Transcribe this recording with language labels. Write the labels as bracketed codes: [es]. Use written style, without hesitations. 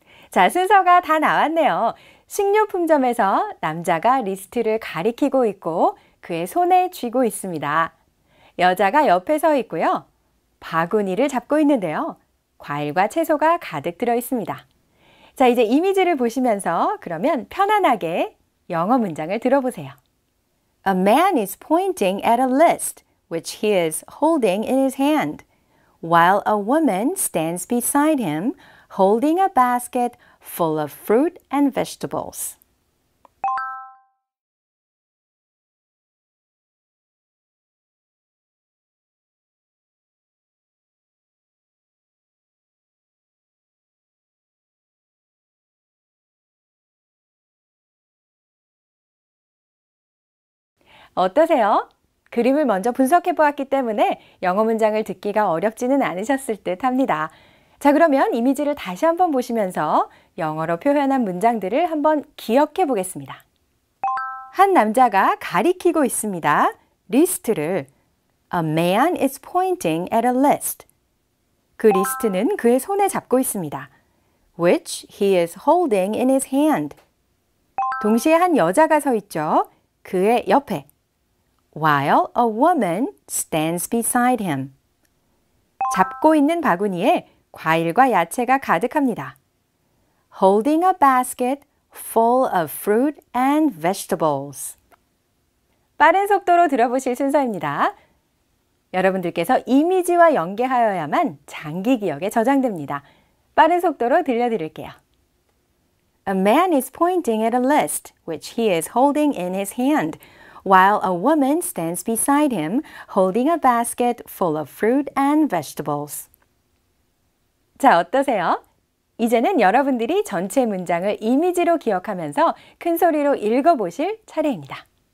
[ko] 자, 순서가 다 나왔네요. 식료품점에서 남자가 리스트를 가리키고 있고 그의 손에 쥐고 있습니다. 여자가 옆에 서 있고요. 바구니를 잡고 있는데요. 과일과 채소가 가득 들어 있습니다. 자, 이제 이미지를 보시면서 그러면 편안하게 영어 문장을 들어보세요. [en] A man is pointing at a list which he is holding in his hand, while a woman stands beside him holding a basket full of fruit and vegetables. [ko] 어떠세요? 그림을 먼저 분석해 보았기 때문에 영어 문장을 듣기가 어렵지는 않으셨을 듯 합니다. 자, 그러면 이미지를 다시 한번 보시면서 영어로 표현한 문장들을 한번 기억해 보겠습니다. 한 남자가 가리키고 있습니다. 리스트를 [en] A man is pointing at a list. [ko] 그 리스트는 그의 손에 잡고 있습니다. [en] Which he is holding in his hand. [ko] 동시에 한 여자가 서 있죠. 그의 옆에. [en] While a woman stands beside him. [ko] 잡고 있는 바구니에 과일과 야채가 가득합니다. [en] Holding a basket full of fruit and vegetables. [ko] 빠른 속도로 들어보실 순서입니다. 여러분들께서 이미지와 연계하여야만 장기 기억에 저장됩니다. 빠른 속도로 들려드릴게요. [en] A man is pointing at a list which he is holding in his hand, while a woman stands beside him holding a basket full of fruit and vegetables. [ko] 자, 어떠세요? 이제는 여러분들이 전체 문장을 이미지로 기억하면서 큰 소리로 읽어보실 차례입니다.